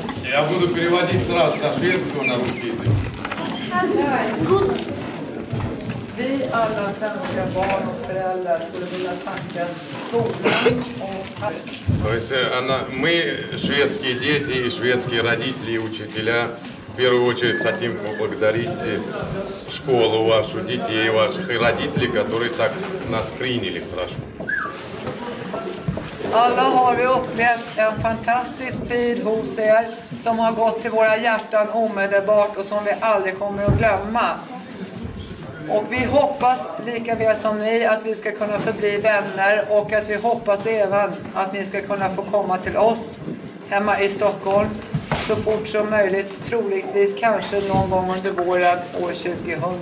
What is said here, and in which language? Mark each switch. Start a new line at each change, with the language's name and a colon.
Russian: Я буду переводить сразу со шведского на русский язык.
Swedish: Vi alla svenska barn och föräldrar skulle vilja tacka skolan och
Russian: То есть она, мы шведские дети и шведские родители и учителя в первую очередь хотим поблагодарить школу вашу, детей ваших и родителей, которые так нас приняли хорошо.
Swedish: Alla har vi upplevt en fantastisk tid hos er som har gått till våra hjärtan omedelbart och som vi aldrig kommer att glömma. Och vi hoppas lika väl som ni att vi ska kunna förbli vänner och att vi hoppas även att ni ska kunna få komma till oss hemma i Stockholm så fort som möjligt, troligtvis kanske någon gång under våren år 2000.